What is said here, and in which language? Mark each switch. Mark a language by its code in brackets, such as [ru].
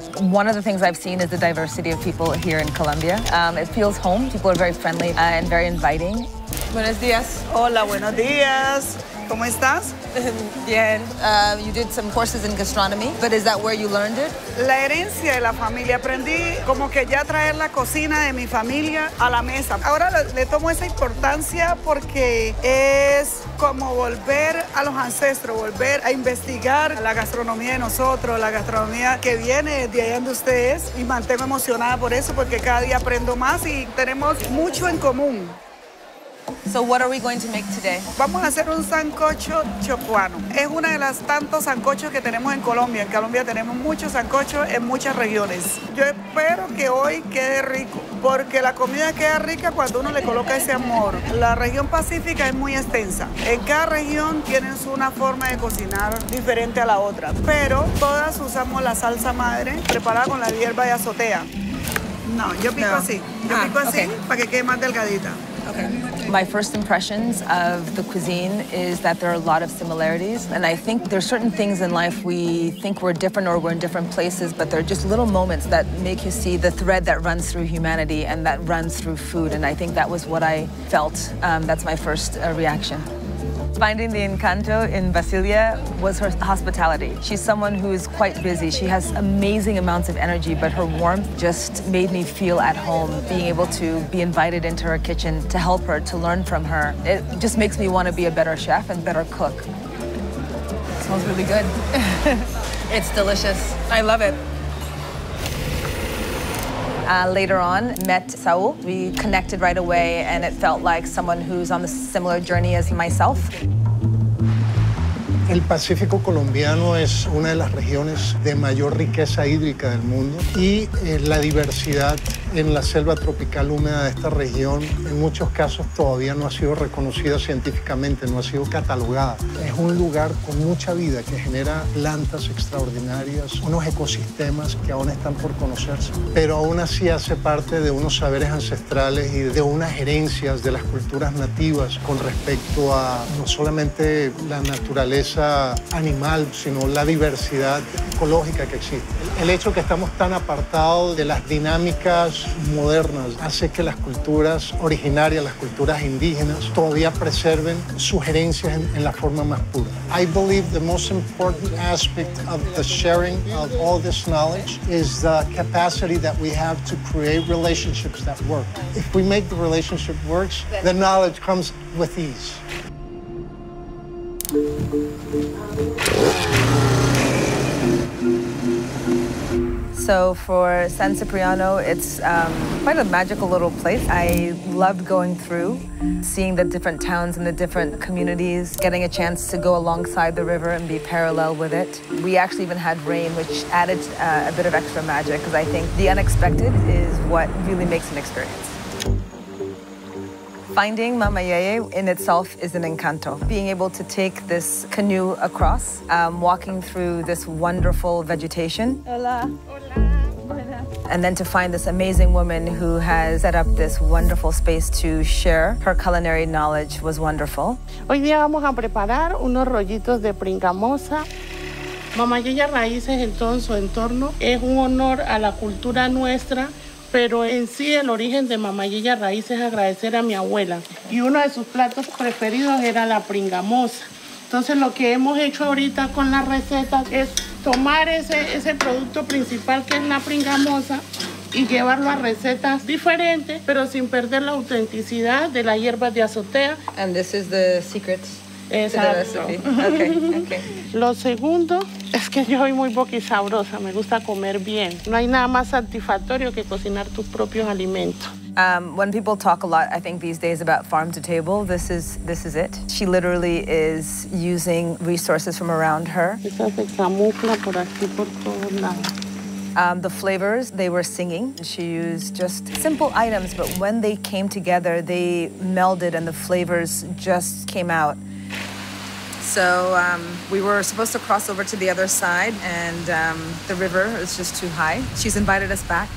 [en] One of the things I've seen is the diversity of people here in Colombia. It feels home. People are very friendly and very inviting. [es] Buenos dias. Hola, buenos dias. ¿Cómo estás? Bien. [en] You did some courses in gastronomy, but is that where you learned it? [es] La herencia de la familia. Aprendí como que ya traer la cocina de mi familia a la mesa. Ahora le tomo esa importancia porque es como volver a los ancestros, volver a investigar la gastronomía de nosotros, la gastronomía que viene de allá donde ustedes, y mantengo emocionada por eso porque cada día aprendo más y tenemos mucho en común. [en] So what are we going to make today? [es] Vamos a hacer un sancocho chocoano. Es una de las tantos sancochos que tenemos en Colombia. En Colombia tenemos muchos sancochos en muchas regiones. Yo espero que hoy quede rico, porque la comida queda rica cuando uno le coloca ese amor. La región pacífica es muy extensa. En cada región tienen una forma de cocinar diferente a la otra, pero todas usamos la salsa madre preparada con la hierba de azotea. No, yo pico no. Así. Yo pico así, okay. Para que quede más delgadita. Okay. [en] My first impressions of the cuisine is that there are a lot of similarities, and I think there are certain things in life we think we're different or we're in different places, but they're just little moments that make you see the thread that runs through humanity and that runs through food, and I think that was what I felt. That's my first reaction. Finding the Encanto in Basilia was her hospitality. She's someone who is quite busy. She has amazing amounts of energy, but her warmth just made me feel at home. Being able to be invited into her kitchen to help her, to learn from her, it just makes me want to be a better chef and better cook. It smells really good. It's delicious. I love it. Later on, met Saul. We connected right away, and it felt like someone who's on the similar journey as myself. [es] El Pacífico colombiano es una de las regiones de mayor riqueza hídrica del mundo, y la diversidad en la selva tropical húmeda de esta región, en muchos casos todavía no ha sido reconocida científicamente, no ha sido catalogada. Es un lugar con mucha vida que genera plantas extraordinarias, unos ecosistemas que aún están por conocerse, pero aún así hace parte de unos saberes ancestrales y de unas herencias de las culturas nativas con respecto a no solamente la naturaleza animal, sino la diversidad ecológica que existe. El hecho que estamos tan apartados de las dinámicas modernas hace que las culturas originarias, las culturas indígenas, todavía preserven sus herencias en la forma más pura. [en] I believe the most important aspect of the sharing of all this knowledge is the capacity that we have to create relationships that work. If we make the relationship work, the knowledge comes with ease. So for San Cipriano, it's quite a magical little place. I loved going through, seeing the different towns and the different communities, getting a chance to go alongside the river and be parallel with it. We actually even had rain, which added a bit of extra magic, because I think the unexpected is what really makes an experience. Finding Mama Yeye in itself is an encanto. Being able to take this canoe across, walking through this wonderful vegetation. [es] Hola. Hola. Hola. [en] And then to find this amazing woman who has set up this wonderful space to share her culinary knowledge was wonderful. [es] Hoy día vamos a preparar unos rollitos de pringamosa. Mamayilla Raíces, en su entorno, es un honor a la cultura nuestra, pero en sí el origen de Mamayilla Raíces es agradecer a mi abuela. Y uno de sus platos preferidos era la pringamosa. Entonces lo que hemos hecho ahorita con la receta es tomar ese producto principal que es la pringamosa y llevarlo a recetas diferentes, pero sin perder la autenticidad de la hierba de azotea. [en] And this is the secret. [es] Exacto. Lo segundo es que yo soy muy boquisabrosa, me gusta comer bien. No hay nada más satisfactorio que cocinar tus propios alimentos. [en] When people talk a lot, I think these days, about farm to table, this is it. She literally is using resources from around her. [es] Esa se camufla por aquí por todos lados. [en] The flavors, they were singing. She used just simple items, but when they came together, they melded and the flavors just came out. So we were supposed to cross over to the other side, and the river is just too high. She's invited us back.